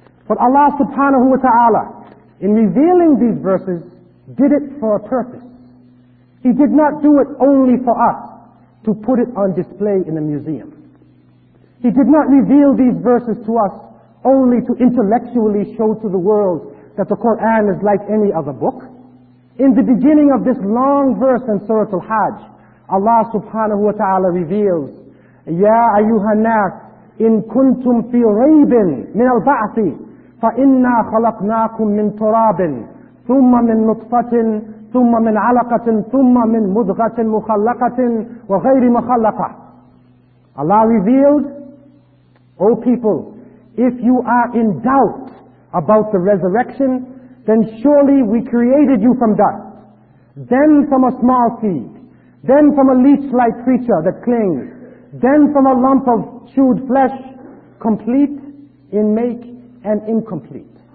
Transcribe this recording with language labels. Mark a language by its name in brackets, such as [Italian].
[English] But Allah subhanahu wa ta'ala, in revealing these verses, did it for a purpose. He did not do it only for us to put it on display in a museum. He did not reveal these verses to us only to intellectually show to the world that the Quran is like any other book. In the beginning of this long verse in Surah Al-Hajj, Allah subhanahu wa ta'ala reveals, [Arabic] يَا أَيُّهَا النَّاسِ إِن كُنْتُمْ فِي رَيْبٍ مِنَ الْبَعْثِ فَإِنَّا خَلَقْنَاكُمْ مِنْ تُرَابٍ ثُمَّ مِنْ نُطْفَةٍ ثُمَّ مِنْ عَلَقَةٍ ثُمَّ مِنْ مُضْغَةٍ مُخَلَّقَةٍ وَغَيْرِ مُخَلَّقَةٍ. [English] Allah revealed, O people, if you are in doubt about the resurrection, then surely we created you from dust, then from a small seed, then from a leech-like creature that clings, then from a lump of chewed flesh, complete in make and incomplete.